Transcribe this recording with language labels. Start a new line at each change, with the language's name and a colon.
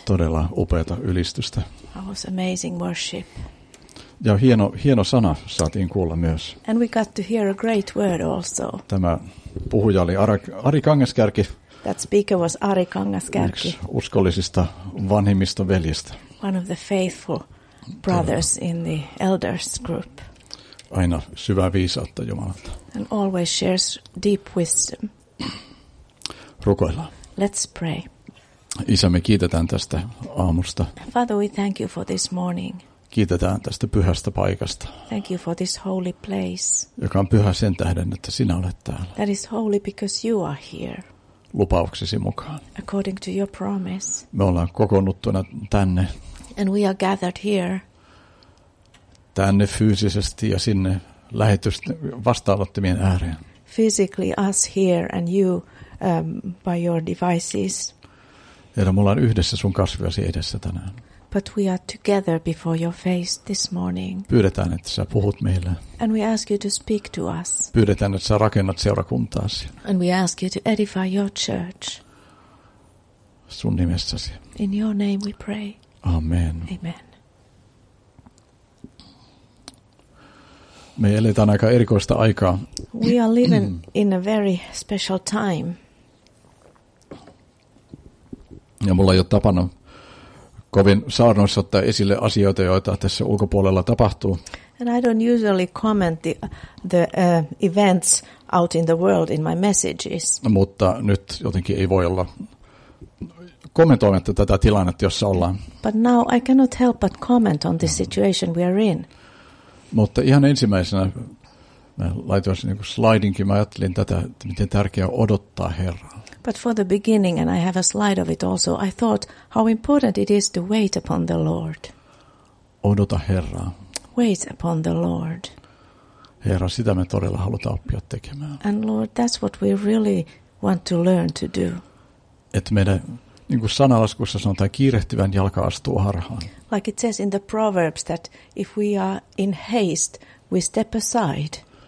Finnish: Todella upeata ylistystä.
English: That was amazing worship.
Finnish: Ja hieno sana saatiin kuulla myös.
English: And we got to hear a great word also.
Finnish: Tämä puhuja oli Ari Kangaskärki.
English: That speaker was Ari Kangaskärki.
Finnish: Yksi uskollisista vanhimmista veljistä.
English: One of the faithful brothers in the elders group.
Finnish: Aina syvää viisautta Jumalalta.
English: And always shares deep wisdom.
Finnish: Rukoillaan.
English: Let's pray.
Finnish: Isä, me kiitetään tästä aamusta.
English: Father, we thank you for this morning.
Finnish: Kiitetään tästä pyhästä paikasta.
English: Thank you for this holy place.
Finnish: Joka on pyhä sen tähden, että sinä olet täällä.
English: That is holy because you are here.
Finnish: Lupauksesi mukaan.
English: According to your promise.
Finnish: Me ollaan kokoonnuttuna tänne.
English: And we are gathered here.
Finnish: Tänne fyysisesti ja sinne lähetysten vastaanottimien ääreen.
English: Physically us here and you by your devices.
Finnish: Herra, me ollaan yhdessä sun kasviasi edessä tänään.
English: But we are together before your face this morning.
Finnish: Pyydetään, että sä puhut meille.
English: And we ask you to speak to us.
Finnish: Pyydetään, että sä rakennat seurakuntaasi.
English: And we ask you to edify your church.
Finnish: Sun nimessäsi.
English: In your name we pray.
Finnish: Amen.
English: Amen.
Finnish: Me eletään aika erikoista aikaa.
English: We are living in a very special time.
Finnish: Ja mulla ei ole tapana kovin saarnoissa ottaa esille asioita, joita tässä ulkopuolella tapahtuu.
English: And I don't usually comment the events out in the world in my messages.
Finnish: Mutta nyt jotenkin ei voi olla kommentoimatta tätä tilannetta, jossa ollaan.
English: But now I cannot help but comment on this situation we are in.
Finnish: Mutta ihan ensimmäisenä mä laitoisin niin kuin slidingin, mä ajattelin tätä, että miten tärkeää odottaa Herraa.
English: But for the beginning, and I have a slide of it also, I thought how important it is to wait upon the Lord.
Finnish: Odota Herraa.
English: Wait upon the Lord.
Finnish: Herra, sitä me todella halutaan oppia tekemään.
English: And Lord, that's what we really want to learn to do.
Finnish: Et meidän, niin kuin sanalaskussa sanotaan, kiirehtivän jalka astuu harhaan.
English: Like it says in the Proverbs that if we are in haste, we step aside.